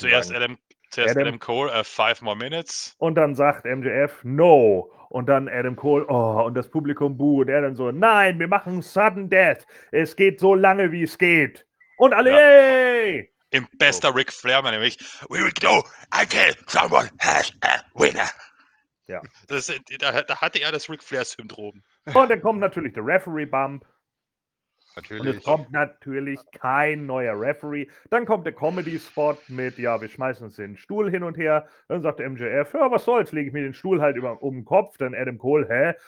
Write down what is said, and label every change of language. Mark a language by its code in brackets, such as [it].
[de] schon zuerst sagen. Adam Cole, [en] 5 more minutes. [de] Und dann sagt MJF, no. Und dann Adam Cole, oh, und das Publikum buh. Und er dann so, nein, wir machen Sudden Death. Es geht so lange, wie es geht. Und alle, ja. Yay! Im bester Ric Flair, meine ich. [en] We will go until someone has a winner. [de] Ja. Das, da hatte er das Ric Flair-Syndrom. Und dann kommt natürlich der Referee-Bump. Natürlich. Und es kommt natürlich kein neuer Referee. Dann kommt der Comedy-Spot mit, ja, wir schmeißen uns den Stuhl hin und her. Dann sagt der MJF, ja, was soll's, lege ich mir den Stuhl halt um den Kopf. Dann Adam Cole, hä?